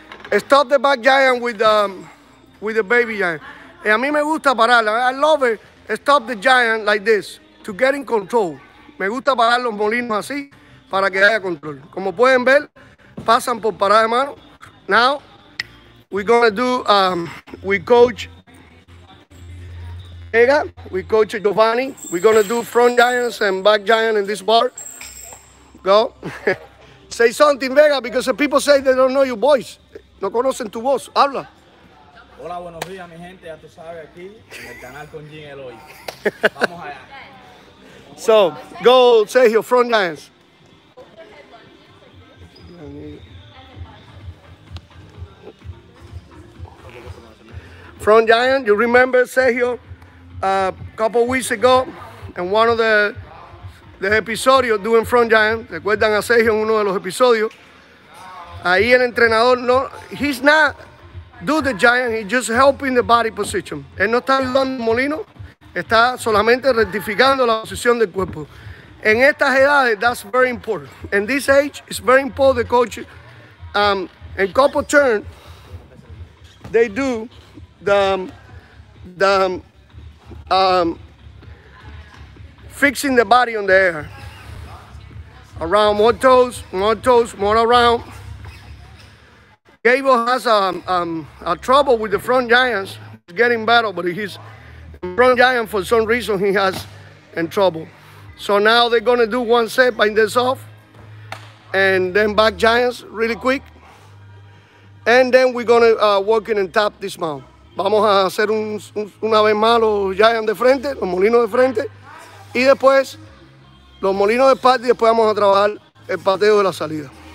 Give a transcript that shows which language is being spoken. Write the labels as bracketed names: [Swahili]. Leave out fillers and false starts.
[English] Stop the back giant with the baby giant. [Spanish] Y a mí me gusta pararla. [English] I love it. Stop the giant like this to get in control. [Spanish] Me gusta parar los molinos así para que haya control. Como pueden ver, pasan por parada de mano. [English] Now we're gonna do, we coach Giovanni. We're gonna do front giants and back giant in this bar. Go. Say something, Vega, because the people say they don't know your voice. [Spanish] No conocen tu voz. Habla. Hola, buenos días, mi gente. Ya tú sabes, aquí en el canal con Jim Eloy. Vamos allá. [English] So, go, say your front giants. Front giant, you remember Sergio a couple weeks ago in one of the episodios doing front giant. [Spanish] Recuerdan a Sergio en uno de los episodios. Ahí el entrenador, no, [English] he's not do the giant, he's just helping the body position. [Spanish] Él no está ayudando al molino, está solamente rectificando la posición del cuerpo. En estas edades, [English] that's very important. In this age, it's very important the coach, in couple turn, they do the fixing the body on the air. Around more toes, more around. Gable has a trouble with the front giants. He's getting better, but he's front giant for some reason he has in trouble. So now they're gonna do one set by themselves and then back giants really quick. And then we're gonna work in and tap this mount. [Spanish] Vamos a hacer una vez más los giants de frente, los molinos de frente, y después los molinos de espalda y después vamos a trabajar el pateo de la salida.